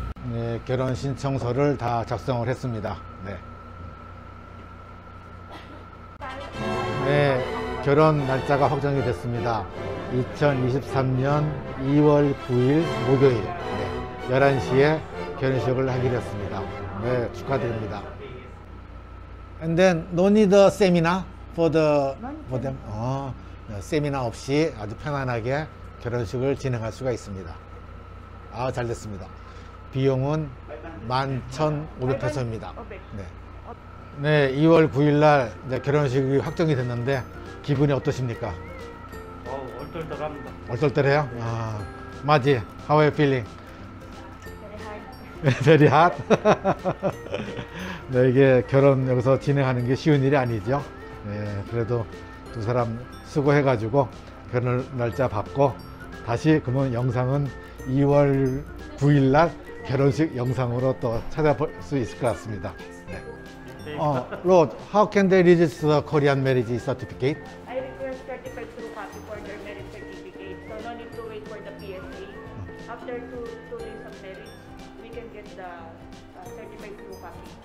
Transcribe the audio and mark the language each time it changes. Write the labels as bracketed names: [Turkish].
[Korean] 네, 결혼 신청서를 다 작성을 했습니다. 네. 네, 결혼 날짜가 확정이 됐습니다. 2023년 2월 9일 목요일 네, 11시에 결혼식을 하기로 했습니다. 네, 축하드립니다. [English] And then no need a seminar for them. [Korean] 세미나 없이 아주 편안하게 결혼식을 진행할 수가 있습니다. 아, 잘 됐습니다. 비용은 11,500페소입니다. 네. 네, 2월 9일 날 결혼식이 확정이 됐는데 기분이 어떠십니까? 얼떨떨합니다. 얼떨떨해요? 네. 아, 맞지. [English] How are you feeling? Very hot. Very hot. [Korean] 네, 이게 결혼 여기서 진행하는 게 쉬운 일이 아니죠. 네, 그래도 두 사람 수고해가지고 결혼 날짜 받고 다시 그러면 영상은 2월 9일 날 결혼식 영상으로 또 찾아볼 수 있을 것 같습니다. 네. [English] Lord, how can they register the Korean marriage certificate? I request certified true copy for their marriage certificate. So no need to wait for the PSA. After two days of marriage, we can get the certified true copy.